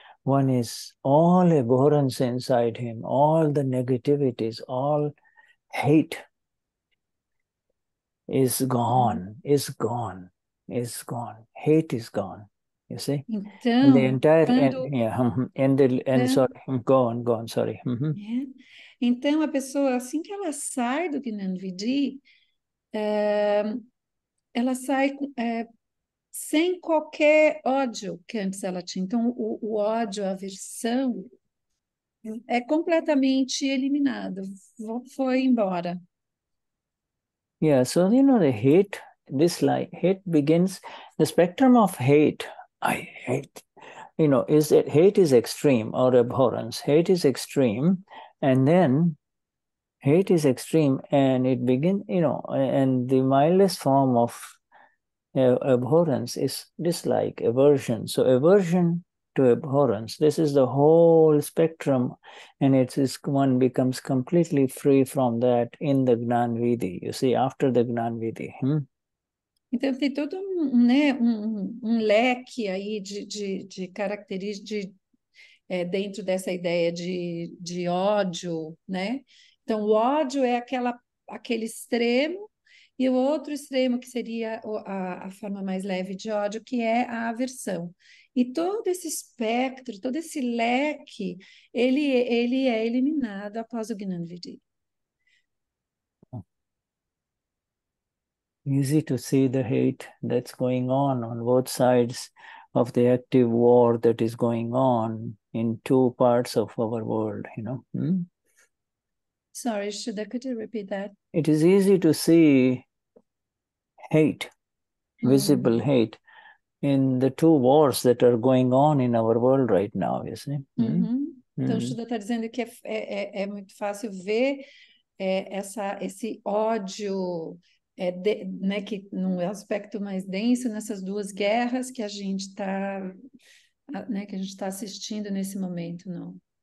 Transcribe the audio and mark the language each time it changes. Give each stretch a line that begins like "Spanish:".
English: One is all abhorrence inside him, all the negativities, all hate is gone. Hate is gone, you see?
Portuguese: Então,
English: and the entire, quando, and, yeah, and, the, and então, sorry, go on, sorry. Mm-hmm. Yeah.
Portuguese: Então, a pessoa, assim que ela sai do Gnan Vidi, ela sai... sem qualquer ódio que antes ela tinha. Então, o ódio, a aversão, é completamente eliminado. Foi embora.
English: Yeah, so, you know, the hate, dislike, hate begins, the spectrum of hate, I hate, you know, is that hate is extreme or abhorrence. Hate is extreme, and then hate is extreme, and it begins, you know, and the mildest form of abhorrence is dislike, aversion. So aversion to abhorrence, this is the whole spectrum, and it's one becomes completely free from that in the Gnan Vidi, you see, after the Gnan Vidi.
Portuguese: Então tem todo um, né, um leque aí de características, dentro dessa ideia de ódio, né? Então, o ódio é aquele extremo, e o outro extremo, que seria a forma mais leve de ódio, que é a aversão. E todo esse espectro, todo esse leque, ele é eliminado após o Gnan Vidi.
English: Easy to see the hate that's going on both sides of the active war that is going on in two parts of our world, you know? Sorry, Shuddha, could you repeat that? It is easy to see hate, visible hate, in the two wars that are going on in our world right now, you see?
Portuguese: Então, Shuddha está dizendo que é muito fácil ver esse ódio, né, que num aspecto mais denso, nessas duas guerras que a gente está, né, que a gente está assistindo nesse momento, não?